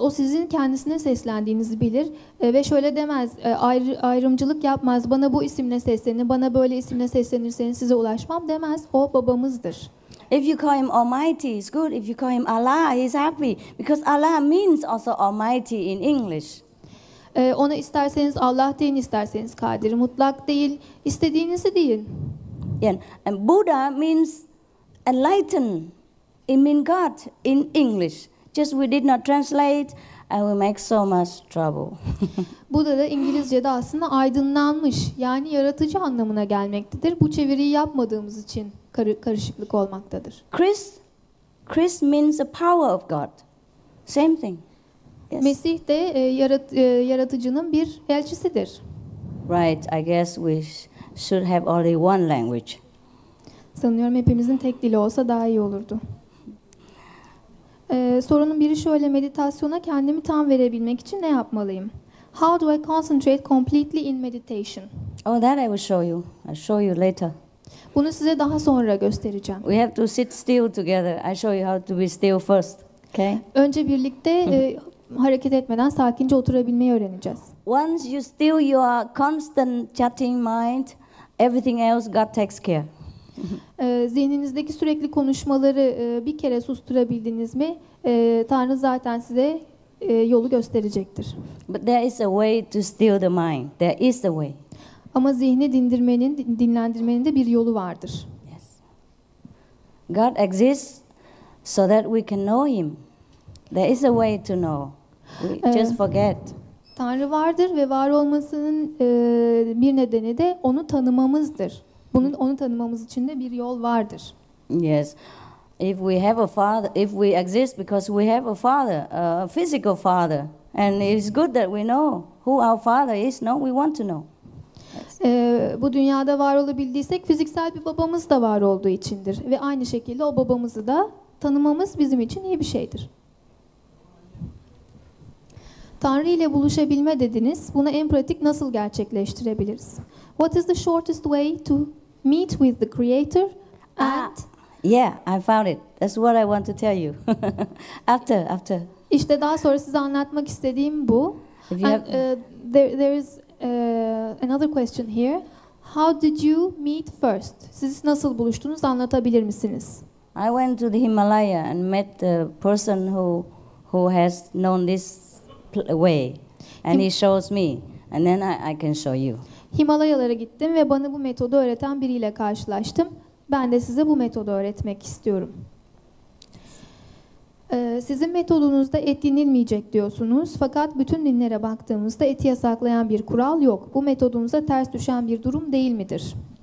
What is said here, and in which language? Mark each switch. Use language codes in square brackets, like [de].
[tr] O sizin kendisine seslendiğinizi bilir ve şöyle demez, ayrımcılık yapmaz. Bana bu isimle seslenin, bana böyle isimle seslenirseniz size ulaşmam demez. O babamızdır. [en] If you call him Almighty, it's good. If you call him Allah, he's happy because Allah means also Almighty in English. [tr] Ona isterseniz Allah deyin, isterseniz Kadir mutlak deyin, istediğinizi deyin. [en] Yeah, and Buddha means enlighten, it means God in English. Just we did not translate, and we make so much trouble. [tr] Buda da İngilizce'de aslında aydınlanmış, yani yaratıcı anlamına gelmektedir. Bu çeviriyi yapmadığımız için karışıklık olmaktadır. [en] Chris means the power of God. Same thing. [tr] Mesih de yaratıcının bir elçisidir. [en] Right, I guess we should have only one language. [tr] Sanıyorum hepimizin tek dili olsa daha iyi olurdu. Sorunun biri şöyle, meditasyona kendimi tam verebilmek için ne yapmalıyım? [en] How do I concentrate completely in meditation? Oh, that I will show you. I'll show you later. [tr] Bunu size daha sonra göstereceğim. [en] We have to sit still together. I'll show you how to be still first. Okay? [tr] Önce birlikte hareket etmeden sakince oturabilmeyi öğreneceğiz. [en] Once you still your constant chatting mind, everything else God takes care. [tr] Zihninizdeki sürekli konuşmaları bir kere susturabildiniz mi, Tanrı zaten size yolu gösterecektir. [en] But there is a way to still the mind. There is a way. [tr] Ama zihni dindirmenin, dinlendirmenin de bir yolu vardır. [en] Yes. God exists so that we can know him. There is a way to know. We just forget. [tr] Tanrı vardır ve var olmasının bir nedeni de onu tanımamızdır. Bunun onu tanımamız için de bir yol vardır. [en] Yes. If we have a father, if we exist because we have a father, a physical father, and it's good that we know who our father is, no, we want to know. Bu dünyada var olabildiysek fiziksel bir babamız da var olduğu içindir ve aynı şekilde o babamızı da tanımamız bizim için iyi bir şeydir. [tr] Tanrı ile buluşabilme dediniz. Bunu en pratik nasıl gerçekleştirebiliriz? [en] What is the shortest way to meet with the creator? And yeah, I found it. That's what I want to tell you. after. [tr] İşte daha sonra size anlatmak istediğim bu. [en] There is another question here. How did you meet first? [tr] Siz nasıl buluştunuz? Anlatabilir misiniz? [en] I went to the Himalaya and met the person who has known this way and he shows me and then I can show you. [tr] Himalayalara gittim ve bana bu metodu öğreten biriyle karşılaştım. Ben de size bu metodu öğretmek istiyorum. Sizin metodunuzda et yenilmeyecek diyorsunuz. Fakat bütün dinlere baktığımızda eti yasaklayan bir kural yok. Bu metodunuza ters düşen bir durum değil midir?